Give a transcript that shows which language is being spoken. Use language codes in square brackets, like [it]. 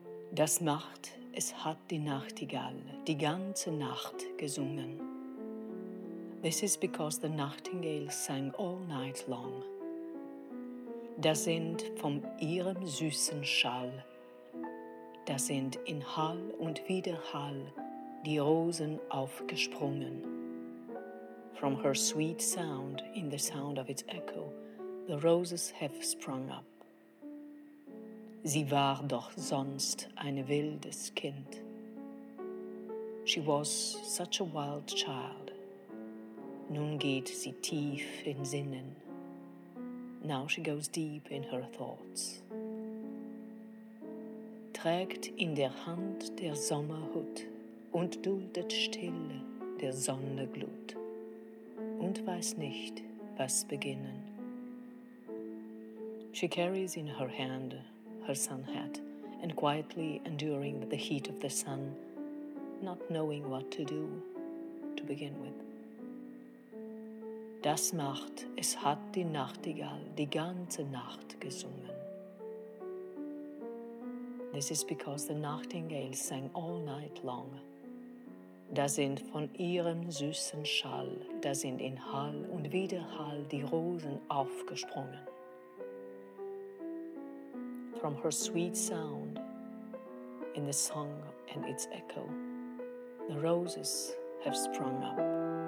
[de] Das macht, es hat die Nachtigall die ganze Nacht gesungen. [en] This is because the Nachtingale sang all night long. [de] Da sind von ihrem süßen Schall, da sind in Hall und Widerhall die Rosen aufgesprungen. [en] From her sweet sound, in the sound of its echo, the roses have sprung up. [de] Sie war doch sonst ein wildes Kind. [en] She was such a wild child. [de] Nun geht sie tief in Sinnen. [en] Now she goes deep in her thoughts. [de] Trägt in der Hand der Sommerhut und duldet still der Sonne Glut und weiß nicht, was beginnen. [en] She carries in her hand her sun hat and quietly enduring the heat of the sun, not knowing what to do to begin with. [de] Das macht, es hat die Nachtigall die ganze Nacht gesungen. [en] This is because the Nachtingale sang all night long. [de] Da sind von ihrem süßen Schall, da sind in Hall und Widerhall die Rosen aufgesprungen. [en] From her sweet sound, in the song and its echo, the roses have sprung up.